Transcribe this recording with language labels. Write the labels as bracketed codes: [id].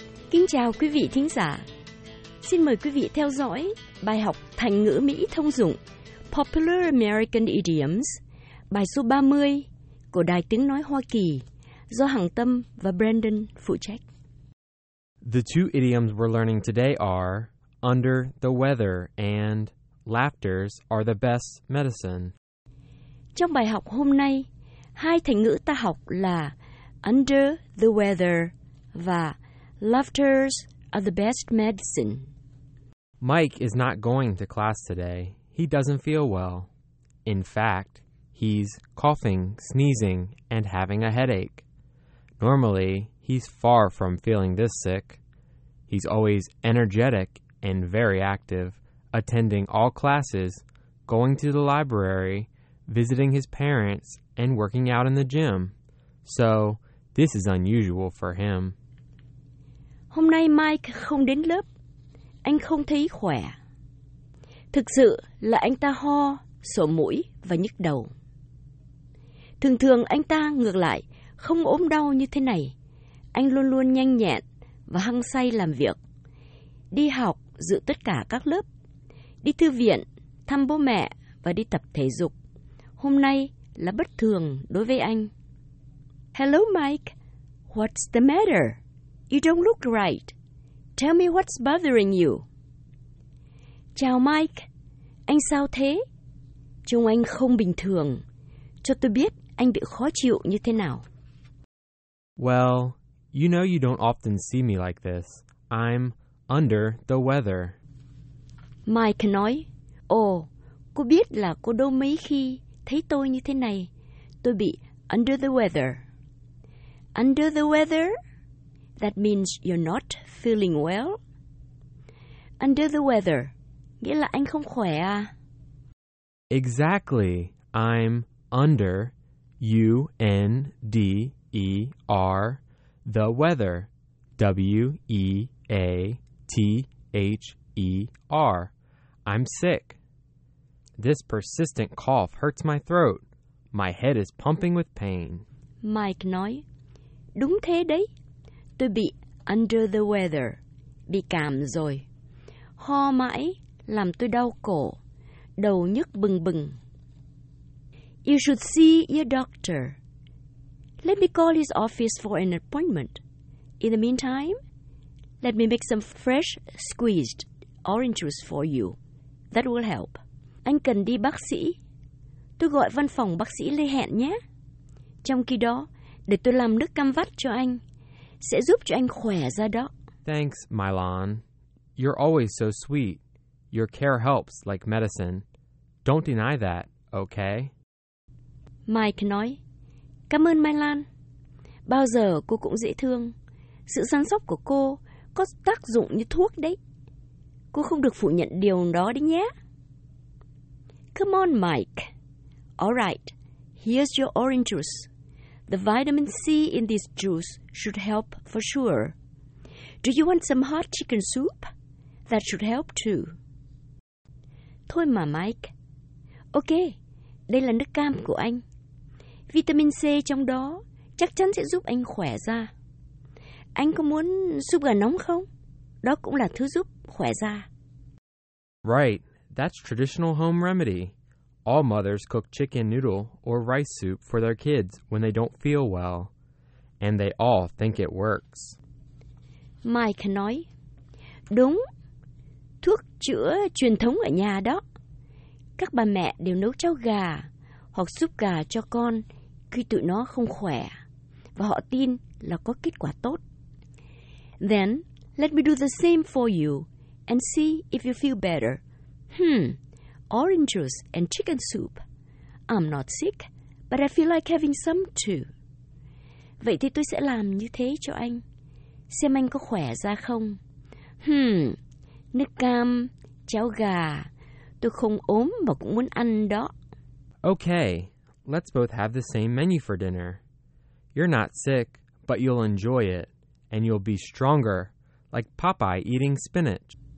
[vi] Kính chào quý vị thính giả. Xin mời quý vị theo dõi bài học thành ngữ Mỹ thông dụng [en] Popular American Idioms, [vi] bài số 30 của Đài Tiếng Nói Hoa Kỳ do Hằng Tâm và Brandon phụ trách. [en] The two idioms we're learning today are under the weather and laughters are the best medicine. [vi] Trong bài học hôm nay, hai thành ngữ ta học là [en] under the weather [vi] và [en] laughters are the best medicine. Mike is not going to class today. He doesn't feel well. In fact, he's coughing, sneezing, and having a headache. Normally, he's far from feeling this sick. He's always energetic and very active, attending all classes, going to the library, visiting his parents, and working out in the gym. So, this is unusual for him. [vi] Hôm nay Mike không đến lớp. Anh không thấy khỏe. Thực sự là anh ta ho, sổ mũi và nhức đầu. Thường thường anh ta ngược lại không ốm đau như thế này. Anh luôn luôn nhanh nhẹn và hăng say làm việc. Đi học, dự tất cả các lớp. Đi thư viện, thăm bố mẹ và đi tập thể dục. Hôm nay là bất thường đối với anh. [en] Hello Mike, what's the matter? You don't look right. Tell me what's bothering you. [vi] Chào Mike. Anh sao thế? Trông anh không bình thường. Cho tôi biết anh bị khó chịu như thế nào. [en] Well, you know you don't often see me like this. I'm under the weather. [vi] Mike nói, ồ, cô biết là cô đâu mấy khi thấy tôi như thế này. Tôi bị [en] under the weather. Under the weather? That means you're not feeling well. Under the weather, [vi] nghĩa là anh không khỏe à? [en] Exactly. I'm under, U-N-D-E-R, the weather, W-E-A-T-H-E-R. I'm sick. This persistent cough hurts my throat. My head is pumping with pain. [vi] Mike nói, đúng thế đấy. Tôi bị [en] under the weather, [vi] bị cảm rồi. Ho mãi làm tôi đau cổ, đầu nhức bừng bừng. [en] You should see your doctor. Let me call his office for an appointment. In the meantime, let me make some fresh squeezed orange juice for you. That will help. [vi] Anh cần đi bác sĩ. Tôi gọi văn phòng bác sĩ Lê Hẹn nhé. Trong khi đó, để tôi làm nước cam vắt cho anh. Sẽ giúp cho anh khỏe ra đó. [en] Thanks, Mylon. You're always so sweet. Your care helps like medicine. Don't deny that, okay? [vi] Mike nói, cảm ơn Mylon. Bao giờ cô cũng dễ thương. Sự săn sóc của cô có tác dụng như thuốc đấy. Cô không được phủ nhận điều đó đấy nhé. [en] Come on, Mike. All right, here's your orange juice. The vitamin C in this juice should help for sure. Do you want some hot chicken soup? That should help too. [vi] Thôi mà Mike. Ok, đây là nước cam của anh. Vitamin C trong đó chắc chắn sẽ giúp anh khỏe ra. Anh có muốn súp gà nóng không? Đó cũng là thứ giúp khỏe ra. [en] Right, that's traditional home remedy. All mothers cook chicken noodle or rice soup for their kids when they don't feel well, and they all think it works. [vi] Mike nói, đúng, thuốc chữa truyền thống ở nhà đó. Các bà mẹ đều nấu cháo gà hoặc súp gà cho con khi tụi nó không khỏe, và họ tin là có kết quả tốt. [en] Then, let me do the same for you and see if you feel better. Orange juice and chicken soup. I'm not sick, but I feel like having some too. [vi] Vậy thì tôi sẽ làm như thế cho anh. Xem anh có khỏe ra không. Nước cam, cháo gà. Tôi không ốm mà cũng muốn ăn đó. [en] Okay, let's both have the same menu for dinner. You're not sick, but you'll enjoy it. And you'll be stronger, like Popeye eating spinach.